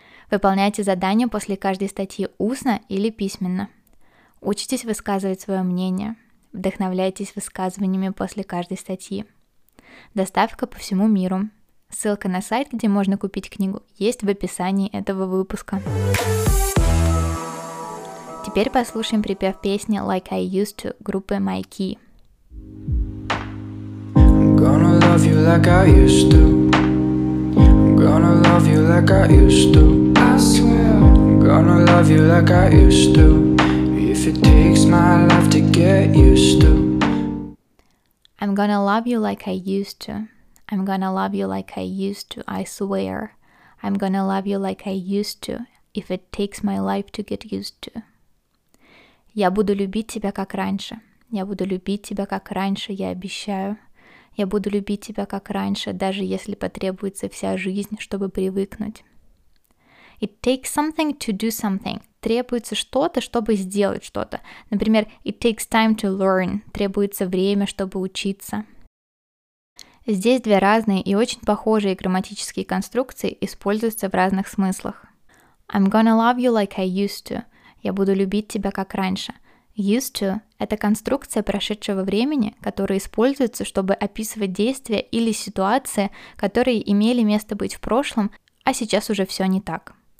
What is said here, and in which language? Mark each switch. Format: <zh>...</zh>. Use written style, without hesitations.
<ru>Выполняйте задания после каждой статьи устно или письменно. Учитесь высказывать свое мнение. Вдохновляйтесь высказываниями после каждой статьи. Доставка по всему миру. Ссылка на сайт, где можно купить книгу, есть в описании этого выпуска. Теперь послушаем припев песни Like I Used To группы My Key.</ru> <en>Gonna love you like I used to. Gonna love you like I used to. I swear. Gonna love you like I used to. If it takes my life to get used to. I'm gonna love you like I used to. I'm gonna love you like I used to. I swear. I'm gonna love you like I used to. If it takes my life to get used to.</en> <ru>Я буду любить тебя как раньше. Я буду любить тебя как раньше, я обещаю. Я буду любить тебя как раньше, даже если потребуется вся жизнь, чтобы привыкнуть.</ru> <en>It takes something to do something.</en> <ru>Требуется что-то, чтобы сделать что-то. Например,</ru> <en>it takes time to learn.</en> <ru>Требуется время, чтобы учиться. Здесь две разные и очень похожие грамматические конструкции используются в разных смыслах.</ru> <en>I'm gonna love you like I used to.</en> <ru>Я буду любить тебя как раньше. Used to – это конструкция прошедшего времени, которая используется, чтобы описывать действия или ситуации, которые имели место быть в прошлом, а сейчас уже все не так.</ru>